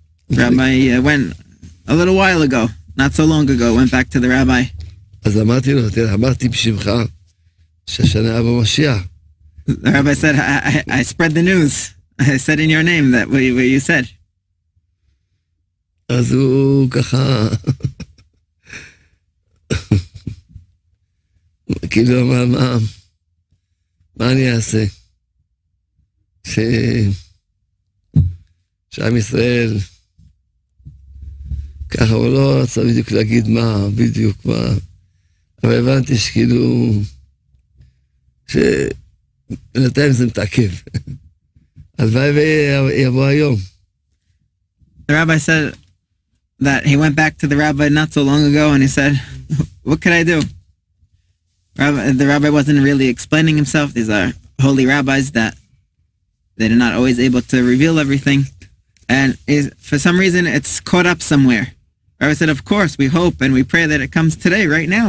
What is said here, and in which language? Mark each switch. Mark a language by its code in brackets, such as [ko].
[en] Rabbi went a little while ago, not so long ago, went back to the rabbi. The rabbi said, I spread the news. I said in your name that what you said. [he] אז הוא ככה כאילו אמר מה אני אעשה שעם ישראל ככה הוא לא רצה בדיוק להגיד מה בדיוק מה אבל הבנתי שכאילו שנתיים זה מתעכב הלוואי ויבוא היום [en] רבי סל that he went back to the rabbi not so long ago and he said, what could I do? The rabbi wasn't really explaining himself. These are holy rabbis that they're not always able to reveal everything. And for some reason, it's caught up somewhere. Rabbi said, of course, we hope and we pray that it comes today, right now.